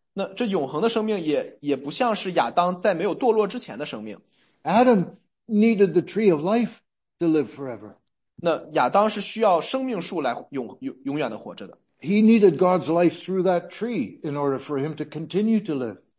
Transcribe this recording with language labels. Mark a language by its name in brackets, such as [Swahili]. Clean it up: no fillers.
[Chinese] 那这永恒的生命也不像是亚当在没有堕落之前的生命。 [English] Adam needed the tree of life to live forever. [Chinese] 那亚当是需要生命树来永远地活着的。 [English] He needed God's life through that tree in order for him to continue to live.